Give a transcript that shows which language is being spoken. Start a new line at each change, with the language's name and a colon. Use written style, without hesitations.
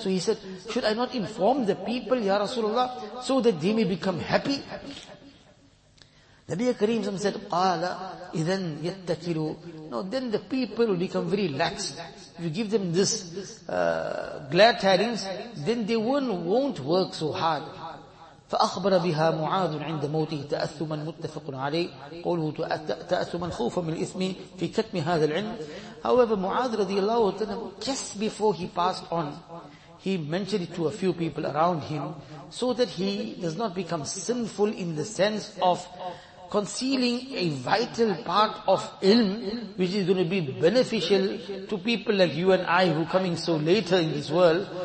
English: So he said, should I not inform the people, Ya Rasulullah, so that they may become happy? Nabiya Kareem said,
Arabic: Qala, idhan yattakiru.
English: No, then the people will become very lax. If you give them this glad tidings, then they won't work so hard.
Arabic: فأخبر بها معاذ عند موته تأثما متفق عليه قوله تأثما خوفا من الإثم في كتم هذا العلم.
English: However, معاذ رضي الله عنه, just before he passed on, he mentioned it to a few people around him so that he does not become sinful in the sense of concealing a vital part of ilm, which is going to be beneficial to people like you and I who are coming so later in this world.